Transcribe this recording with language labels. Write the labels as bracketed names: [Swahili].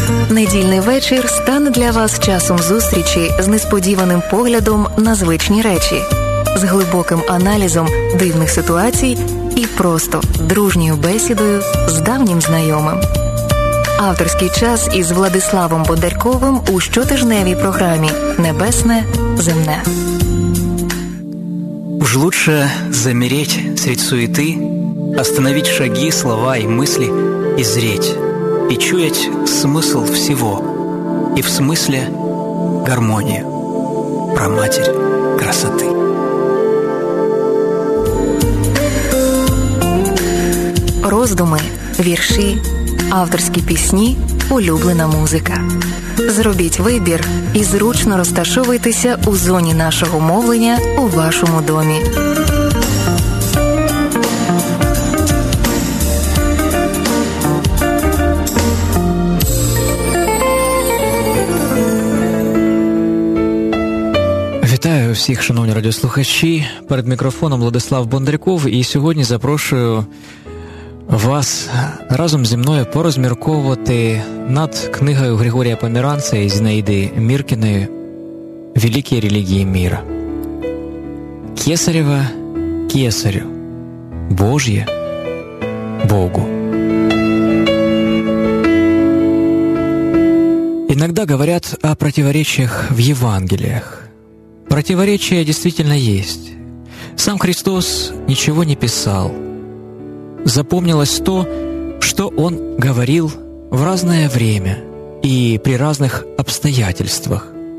[Ukrainian] Недільний вечір стане для вас часом зустрічі з несподіваним поглядом на звичні речі, з глибоким аналізом дивних ситуацій і просто дружньою бесідою з давнім знайомим. Авторський час із Владиславом Бондарковим у щотижневій програмі «Небесне, земне». [Russian] Уж лучше замереть средь суеты, остановить шаги, слова и мысли, и зреть, и чуять смысл всего, и в смысле гармонию, праматерь красоты. [Ukrainian] Роздуми, вірші, авторські пісні, улюблена музика. Зробіть вибір і зручно розташовуйтеся у зоні нашого мовлення у вашому домі. Вітаю всіх, шановні радіослухачі. Перед мікрофоном Владислав Бондарьков, і сьогодні запрошую вас разом зі мною порозмірковувати над книгою Григорія Помиранця і Зінаїди Міркіної «Великі релігії міра». Кесарєва – кесарю, Божє – Богу. [Russian] Иногда говорят о противоречиях в Евангеліях. Противоречия действительно есть. Сам Христос ничего не писал. Запомнилось то, что Он говорил в разное время и при разных обстоятельствах.